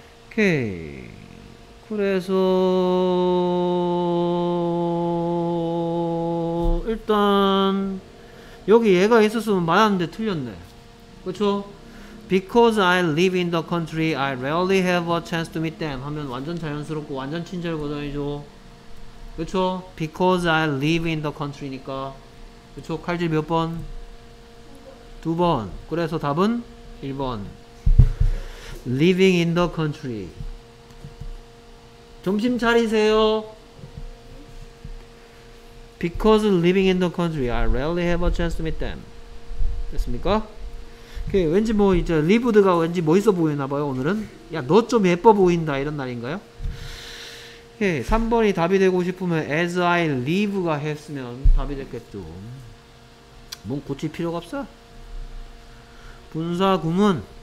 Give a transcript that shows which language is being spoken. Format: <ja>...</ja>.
<ko>오케이. 그래서 일단 여기 얘가 있었으면 맞았는데 틀렸네. 그렇죠?</ko> <en>Because I live in the country, I rarely have a chance to meet them.</en> <ko>하면 완전 자연스럽고 완전 친절 버전이죠. 그렇죠?</ko> <en>Because I live in the country</en> <ko>니까. 그렇죠? 칼질 몇 번? 두 번. 그래서 답은 1번.</ko> <en>Living in the country.</en> <ko>점심 차리세요.</ko> <en>Because living in the country, I rarely have a chance to meet them.</en> <ko>됐습니까? 그 왠지 뭐 이제 리브드가 왠지 멋있어 보이나 봐요. 오늘은 야 너 좀 예뻐 보인다 이런 날인가요? 오케이. 3번이 답이 되고 싶으면 as I live가 했으면 답이 됐겠죠. 뭔 고칠 필요가 없어. 분사 구문.</ko>